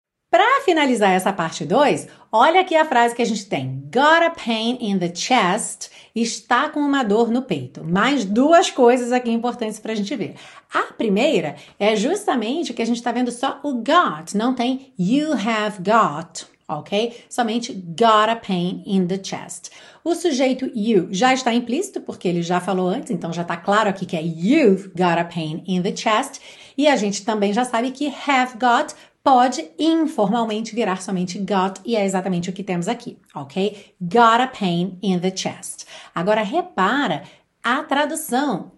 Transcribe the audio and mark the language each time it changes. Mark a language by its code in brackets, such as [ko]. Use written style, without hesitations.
[pt] Para finalizar essa parte 2, olha aqui a frase que a gente tem. [en] Got a pain in the chest. [pt] Está com uma dor no peito. Mais duas coisas aqui importantes para a gente ver. A primeira é justamente que a gente está vendo só o got. Não tem [en] you have got. [pt] Ok? Somente [en] got a pain in the chest. [pt] O sujeito you já está implícito, porque ele já falou antes, então já está claro aqui que é [en] you've got a pain in the chest. [pt] E a gente também já sabe que have got pode informalmente virar somente got, e é exatamente o que temos aqui, ok? [en] Got a pain in the chest. [pt] Agora, repara a tradução.